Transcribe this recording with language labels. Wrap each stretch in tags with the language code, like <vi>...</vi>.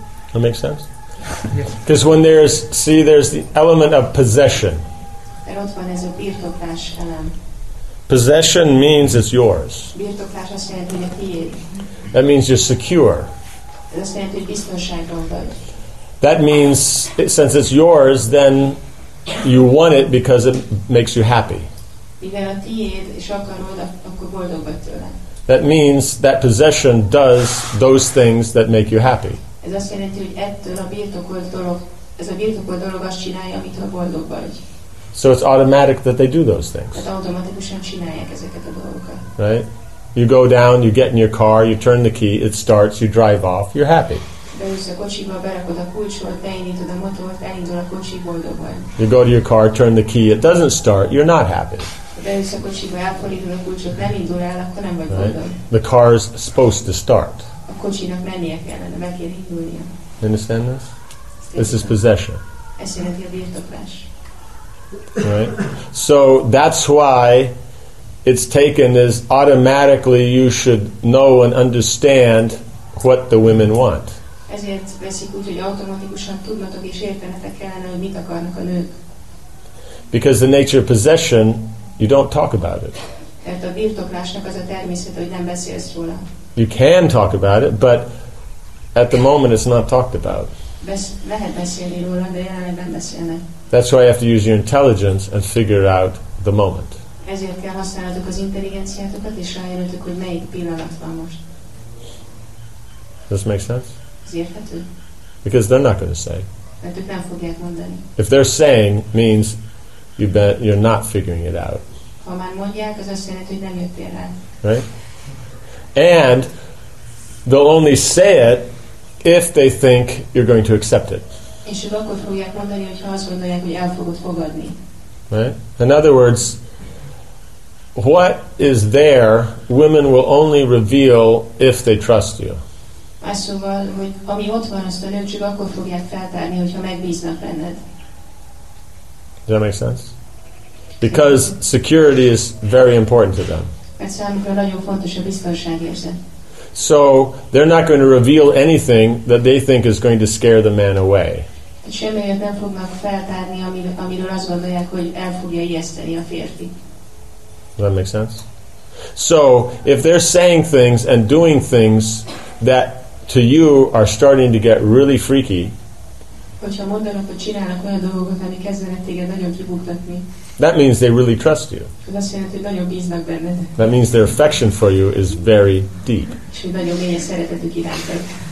<en>That makes sense? Because when there's the element of possession.</en> <hu>Mert ott van ez a birtoklás elem.</hu> <en>Possession means it's yours.</en> <hu>Birtoklás azt jelenti, hogy a tiéd.</hu> <en>That means you're secure.</en> <hu>Ez azt jelenti, hogy biztonságban vagy.</hu> <en>That means, since it's yours, then you want it because it makes you happy.</en> <hu>Mivel a tiéd, és akarod, akkor boldog vagy tőle.</hu> <en>That means that possession does those things that make you happy.</en> <hu>Ez azt jelenti, hogy ettől a birtokolt dolog, ez a birtokolt dolog azt csinálja, amit boldog vagy.</hu> <en>So it's automatic that they do those things.</en> <hu>Automatikusan csinálják ezeket a dolgokat.</hu> <en>Right? You go down, you get in your car, you turn the key, it starts, you drive off, you're happy.</en> <hu>Beülsz a kocsiba, berakod a kulcsot, beindítod a motort, elindul a kocsi, boldog vagy.</hu> <en>You go to your car, turn the key, it doesn't start, you're not happy.</en> <hu>Beülsz a kocsiba, elfordítod a kulcsot, nem indul el, akkor nem vagy boldog.</hu> <en>The car's supposed to start.</en> <hu>A kocsinak mennie kellene, meg kell indulnia.</hu> <en>You understand this? This is possession.</en> <hu>Ez jelenti a birtoklás.</hu> <en>Right, so that's why it's taken as automatically you should know and understand what the women want.</en> <hu>Ezért veszik úgy, hogy automatikusan tudnatok és értenetek kellene, hogy mit akarnak a nők.</hu> <en>Because the nature of possession, you don't talk about it.</en> <hu>Mert a birtoklásnak az a természet, hogy nem beszélsz róla.</hu> <en>You can talk about it, but at the moment it's not talked about.</en> <hu>Lehet beszélni róla, de jelenleg nem beszélnek.</hu> <en>That's why you have to use your intelligence and figure out the moment.</en> <hu>Ezért kell használnatok az intelligenciátokat, és rájönnötök, hogy melyik pillanat van most.</hu> <en>Does this make sense?</en> <hu>Ez érthető?</hu> <en>Because they're not going to say.</en> <hu>Mert ők nem fogják mondani.</hu> <en>If they're saying, means you're not figuring it out.</en> <hu>Ha már mondják, az azt jelenti, hogy nem jöttél rá.</hu> <en>Right? And they'll only say it if they think you're going to accept it.</en> <hu>És ők akkor fogják mondani, hogyha azt gondolják, hogy el fogod fogadni.</hu> <en>Right? In other words, what is there, women will only reveal if they trust you.</en> <hu>Más szóval, hogy ami ott van, azt a nők csak akkor fogják feltárni, hogyha megbíznak benned.</hu> <en>Does that make sense? Because security is very important to them.</en> <hu>Mert számukra nagyon fontos a biztonság érzet.</hu> <en>So they're not going to reveal anything that they think is going to scare the man away.</en> <hu>semmilyet nem fognak feltárni, amiről azt gondolják, hogy el fogja ijeszteni a férfi.</hu> <en>Does that make sense? So, if they're saying things and doing things that to you are starting to get really freaky,</en> <hu>hogyha mondanak, hogy csinálnak olyan dolgokat, ami kezdenek téged nagyon kibuktatni,</hu> <en>that means they really trust you.</en> <hu>Ez azt jelenti, hogy nagyon bíznak benned.</hu> <en>That means their affection for you is very deep.</en> <hu>És hogy nagyon mélyen szeretetük irántad.</hu>